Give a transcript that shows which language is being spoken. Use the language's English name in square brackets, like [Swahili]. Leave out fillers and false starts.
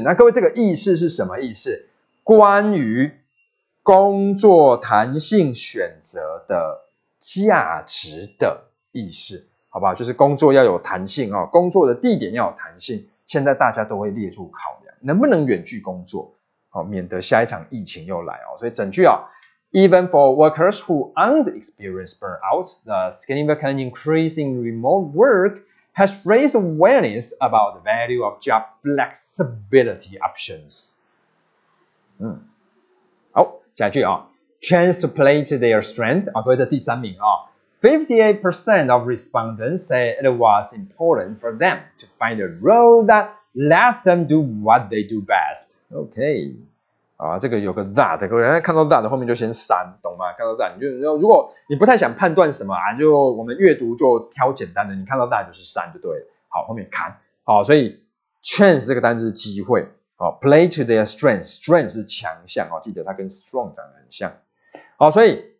[Chinese] 那各位这个意识是什么意识？关于工作弹性选择的价值的意识，好吧，就是工作要有弹性，工作的地点要有弹性，现在大家都会列入考量，能不能远距工作，免得下一场疫情又来。 [English] 所以整句，Even for workers who aren't experienced burnout, the significant increase in remote work has raised awareness about the value of job flexibility options。 [Chinese] 好，下一句啊， [English] Chance to play to their strength， [Chinese] 各位这第三名啊， [English] 58% of respondents say it was important for them to find a role that lets them do what they do best。 [Chinese] OK， 这个有个 that， 各位看到 that 后面就先删，懂吗？看到 that 你就如果你不太想判断什么啊，就我们阅读就挑简单的，你看到 that 就是删就对了。好，后面看好，所以 chance 这个单字是机会， [English] play to their strength， [Chinese] strength 是强项，记得它跟 strong 长得很像。好，所以